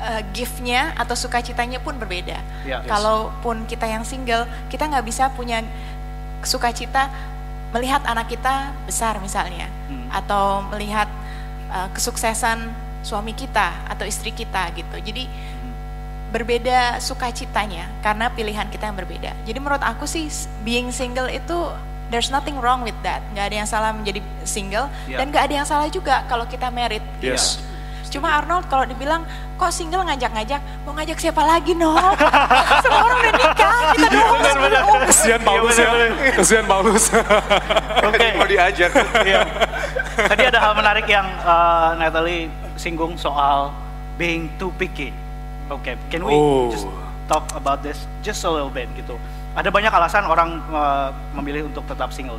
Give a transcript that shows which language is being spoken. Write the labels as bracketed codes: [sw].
[id] Gift-nya atau sukacitanya pun berbeda. Kalaupun kita yang single, kita gak bisa punya sukacita melihat anak kita besar misalnya, atau melihat kesuksesan suami kita atau istri kita gitu. Jadi berbeda sukacitanya karena pilihan kita yang berbeda. Jadi menurut aku sih [en] being single [id] itu [en] there's nothing wrong with that. [id] Gak ada yang salah menjadi single, dan gak ada yang salah juga kalau kita married. Cuma Arnold kalau dibilang kok single ngajak-ngajak, mau ngajak siapa lagi, Noel? Semua orang udah nikah, kita doang sebelum. Kesian Paulus ya, kesian Paulus. Oke, mau diajak. Tadi ada hal menarik yang Natalie singgung soal [en] being too picky. Okay, can we just talk about this just a little bit gitu. [id] Ada banyak alasan orang memilih untuk tetap single.